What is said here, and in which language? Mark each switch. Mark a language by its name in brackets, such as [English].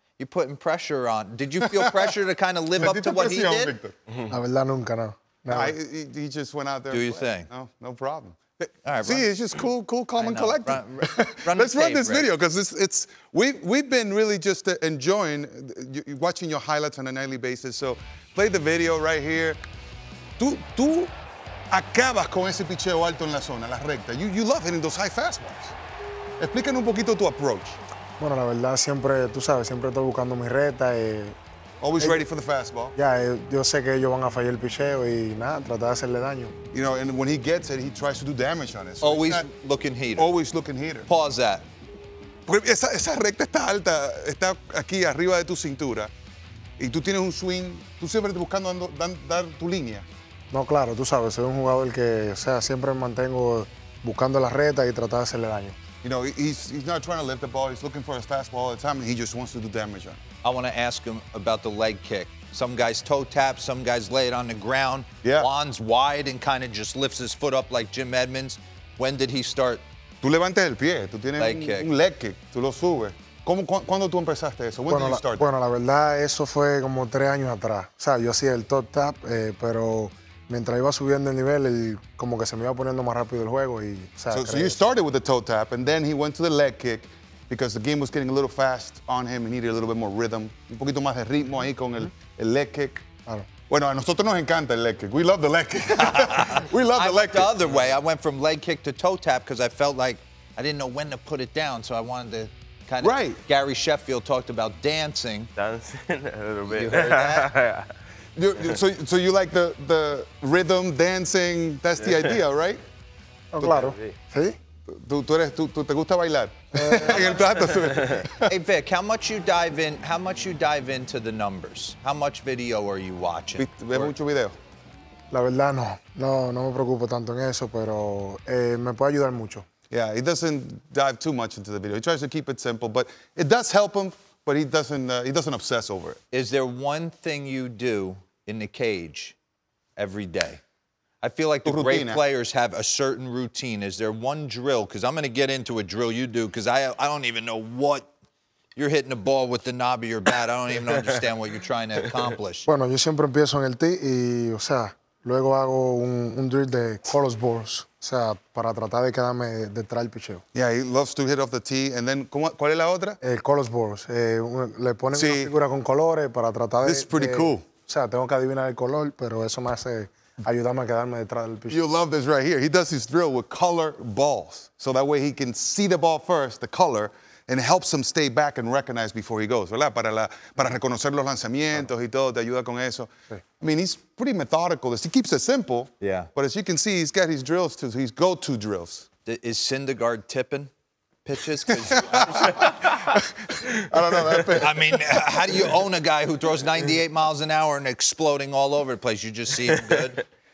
[English] You're putting pressure on. Did you feel pressure to kind of live up to what he did? [Spanish] La verdad nunca, no. [English] No, he just went out there. Do your thing. No problem. All right, see, run. It's just cool, cool, calm, and collected. Let's run this video because we've been really just enjoying watching your highlights on a nightly basis. So play the video right here. [Spanish] Tú acabas con ese picheo alto en la zona, la recta. [English] You love hitting those high fastballs. [Spanish] Explícanos un poquito tu approach. Bueno, la verdad, siempre, tú sabes, siempre estoy buscando mi recta. [English] Always ready for the fastball. [Spanish] Yeah, yo sé que ellos van a fallar el picheo y nada, tratar de hacerle daño. [English] You know, and when he gets it, he tries to do damage on it. So always looking heater. Always looking heater. Pause that. [Spanish] Porque esa recta está alta, está aquí arriba de tu cintura, y tú tienes un swing, tú siempre estás buscando dar tu línea. No, claro, tú sabes, soy un jugador que, o sea, siempre mantengo buscando la recta y tratar de hacerle daño. [English] You know, he's not trying to lift the ball. He's looking for his fastball all the time, and he just wants to do damage on it. I want to ask him about the leg kick. Some guys toe tap, some guys lay it on the ground. Yeah. Juan's wide and kind of just lifts his foot up like Jim Edmonds. When did he start? [Spanish] Tú levantas el pie, tú tienes un leg kick, tú lo subes. ¿Cómo, cuándo tú empezaste eso? [English] When did you start? [Spanish] Bueno, la verdad, eso fue como 3 años atrás. O sea, yo hacía el toe tap, pero mientras iba subiendo el nivel, como que se me iba poniendo más rápido el juego. Y, o sea, [English] so you started with the toe tap, and then he went to the leg kick because the game was getting a little fast on him. He needed a little bit more rhythm. [Spanish] Un poquito más de ritmo ahí con el leg kick. Claro. Bueno, a nosotros nos encanta el leg kick. [English] We love the leg kick. We love the leg kick. I went the other way. I went from leg kick to toe tap because I felt like I didn't know when to put it down, so I wanted to kind of... Right. Gary Sheffield talked about dancing. Dancing a little bit. You heard that? So you like the rhythm, dancing, that's the idea, right? [Spanish] Oh, claro. Sí. Tú te gusta bailar. En el plato. [English] Hey, Vic, how much you dive into the numbers? How much video are you watching? [Spanish] ¿Ves mucho video? La verdad, no. No me preocupo tanto en eso, pero me puede ayudar mucho. [English] Yeah, he doesn't dive too much into the video. He tries to keep it simple, but it does help him. But he doesn't obsess over it. Is there one thing you do in the cage every day? I feel like the great players have a certain routine. Is there one drill? Because I'm going to get into a drill you do, because I don't even know what you're hitting the ball with the knob of your bat. I don't even understand what you're trying to accomplish. [Spanish] Bueno, yo siempre empiezo en el tee y, o sea, luego hago un drill de cross balls. O sea, para tratar de quedarme detrás del picheo. [English] Yeah, he loves to hit off the tee. And then, [Spanish] ¿cuál es la otra? [English] Colors balls. [Spanish] Le ponen una figura con colores para tratar [English] This [Spanish] de... [English] This is pretty [Spanish] de, [English] cool. [Spanish] O sea, tengo que adivinar el color, pero eso me hace ayudarme a quedarme detrás del picheo. [English] You love this right here. He does his drill with color balls. So that way he can see the ball first, the color, and helps him stay back and recognize before he goes, [Spanish] ¿verdad? Para reconocer los lanzamientos y todo, te ayuda con eso. Sí. [English] I mean, he's pretty methodical. He keeps it simple. Yeah. But as you can see, he's got his drills too. His go-to drills. Is Syndergaard tipping pitches? I don't know. I mean, how do you own a guy who throws 98 miles an hour and exploding all over the place? You just see him good?